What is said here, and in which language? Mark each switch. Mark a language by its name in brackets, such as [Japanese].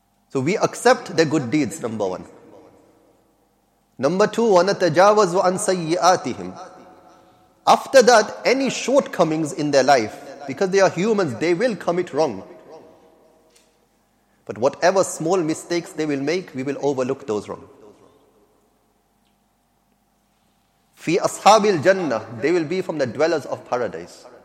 [English] So we accept their good deeds, number one. Number two, [Arabic] وَنَتَجَاوَزُ عَنْ سَيِّئَاتِهِمْ. [English] After that, any shortcomings in their life, because they are humans, they will commit wrong. But whatever small mistakes they will make, we will overlook those wrong. Fi ashabil jannah, they will be from the dwellers of paradise.